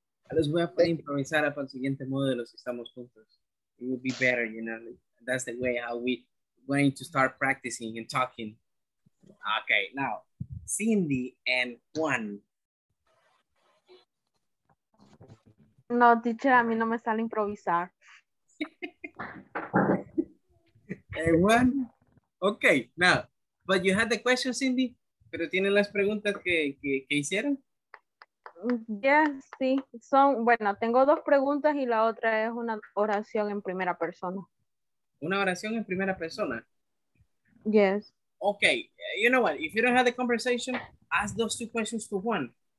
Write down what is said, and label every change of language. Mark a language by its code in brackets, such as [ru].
[es] Les voy a poder improvisar para el siguiente módulo si estamos juntos. [en] It would be better, you know. That's the way how we going to start practicing and talking. Okay, now, Cindy and Juan. [es] No, teacher, a mí no me sale improvisar. [en] Hey, Juan. Okay, now, but you had the question, Cindy? [es] ¿Pero tienen las preguntas que hicieron? Sí. Tengo dos preguntas y la otra es una oración en primera persona. ¿Una oración en primera persona? [en] Yes. Okay. You know what? If you don't have the conversation, ask those two questions to Juan.